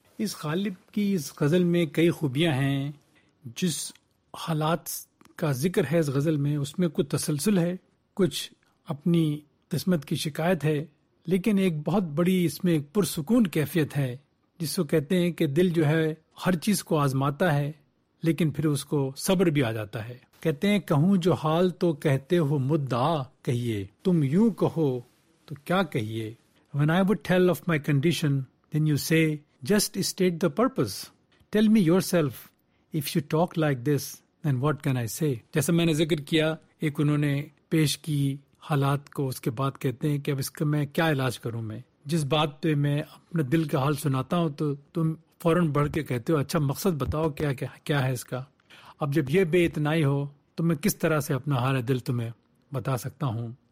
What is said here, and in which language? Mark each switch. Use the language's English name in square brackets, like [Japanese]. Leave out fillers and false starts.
[Urdu] اس غالب کی اس غزل میں کئی خوبیاں ہیں. جس حالات کا ذکر ہے اس غزل میں، اس میں کچھ تسلسل ہے، کچھ اپنی قسمت کی شکایت ہے، لیکن ایک بہت بڑی اس میں ایک پرسکون کیفیت ہے، جس کو کہتے ہیں کہ دل جو ہے ہر چیز کو آزماتا ہے لیکن پھر اس کو صبر بھی آ جاتا ہے. کہتے ہیں کہوں جو حال تو کہتے ہو مدعا کہیے، تم یوں کہو تو کیا کہیے. [English] When I would tell of my condition, then you say, just state the purpose. Tell me yourself, if you talk like this, then what can I say? [Urdu] جیسا میں نے ذکر کیا، ایک انہوں نے پیش کی حالات کو، اس کے بعد کہتے ہیں کہ اب اس کا میں کیا علاج کروں. میں جس بات پہ میں اپنے دل کا حال سناتا ہوں تو تم فوراً بڑھ کے کہتے ہو، اچھا مقصد بتاؤ کیا کیا ہے اس کا. اب جب یہ بے اتنائی ہو تو میں کس طرح سے اپنا حال دل تمہیں بتا سکتا ہوں.